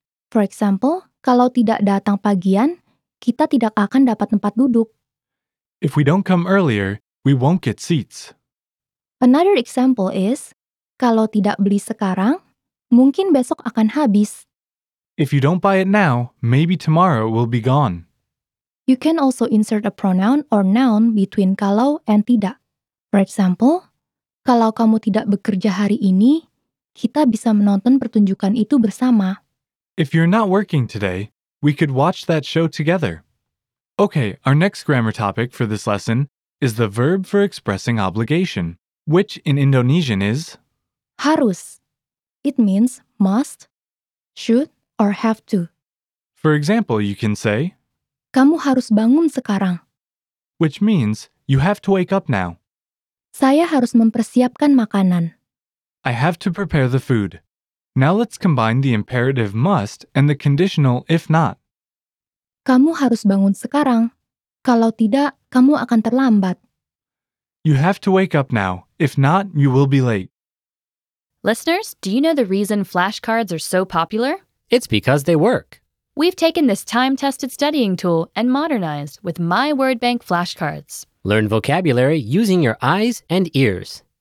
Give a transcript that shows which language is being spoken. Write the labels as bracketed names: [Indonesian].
[English] For example, [Indonesian] kalau tidak datang pagian, kita tidak akan dapat tempat duduk. [English] If we don't come earlier, we won't get seats. Another example is [Indonesian] kalau tidak beli sekarang, mungkin besok akan habis. [English] If you don't buy it now, maybe tomorrow will be gone. You can also insert a pronoun or noun between kalau and tidak. For example, [Indonesian] kalau kamu tidak bekerja hari ini, kita bisa menonton pertunjukan itu bersama. [English] If you're not working today, we could watch that show together. Okay, our next grammar topic for this lesson is the verb for expressing obligation, which in Indonesian is harus. It means must, should, or have to. For example, you can say [Indonesian] kamu harus bangun sekarang, [English] which means you have to wake up now. [Indonesian] Saya harus mempersiapkan makanan. [English] I have to prepare the food. Now let's combine the imperative must and the conditional if not. [Indonesian] Kamu harus bangun sekarang. Kalau tidak, kamu akan terlambat. [English] You have to wake up now. If not, you will be late. Listeners, do you know the reason flashcards are so popular? It's because they work. We've taken this time-tested studying tool and modernized with My Word Bank flashcards. Learn vocabulary using your eyes and ears.